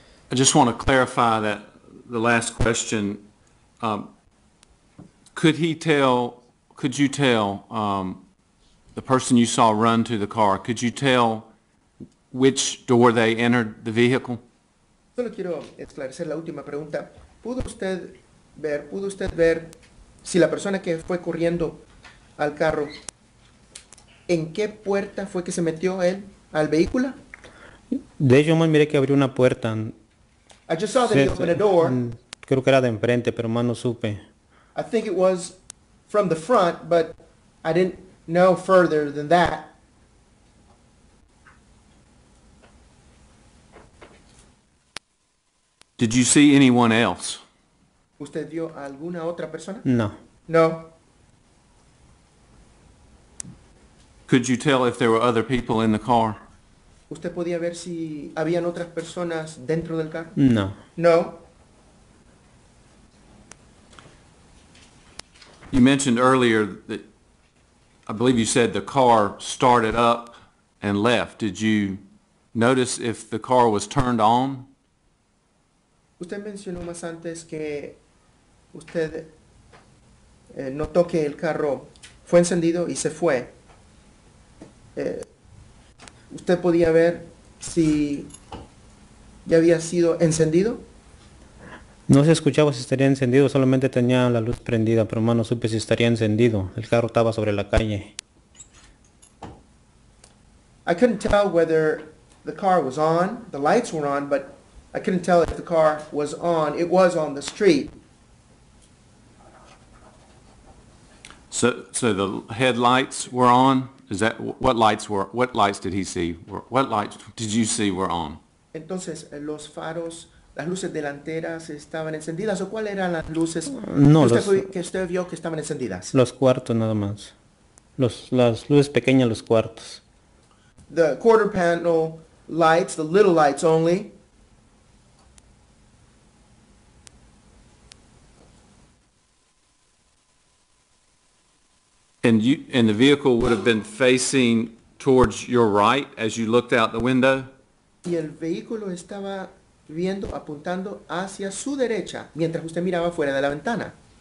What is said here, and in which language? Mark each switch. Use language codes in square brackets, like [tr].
[en] I just want to clarify that the last question. Could you tell the person you saw run to the car, could you tell which door they entered the vehicle? [es] Solo quiero esclarecer la última pregunta. ¿Pudo usted ver si la persona que fue corriendo al carro, en qué puerta fue que se metió él al vehículo? De hecho, más miré que abrió una puerta. [en] I just saw that he opened a door. [es] Creo que era de enfrente, pero más no supe. [en] I think it was from the front, but I didn't know further than that. Did you see anyone else? [es] ¿Usted vio a alguna otra persona? No. [en] No. Could you tell if there were other people in the car? [es] ¿Usted podía ver si habían otras personas dentro del carro? No. [en] No. You mentioned earlier that, I believe you said the car started up and left. Did you notice if the car was turned on? [es] ¿Usted mencionó más antes que usted notó que el carro Fue encendido y se fue. ¿Usted podía ver si ya había sido encendido? No se escuchaba si estaría encendido, solamente tenía la luz prendida, pero no supe si estaría encendido. El carro estaba sobre la calle. [en] I couldn't tell whether the car was on. The lights were on, but I couldn't tell if the car was on. It was on the street. So the headlights were on? Is that what lights were? What lights did he see? What lights did you see were on? [es] Entonces, los faros, las luces delanteras estaban encendidas. ¿O cuáles eran las luces que usted vio que estaban encendidas? Los cuartos nada más. Las luces pequeñas, los cuartos. [en] The quarter panel lights, the little lights only. And the vehicle would have been facing towards your right as you looked out the window? [es] Y el vehículo estaba viendo, apuntando hacia su derecha, mientras usted miraba fuera de la ventana.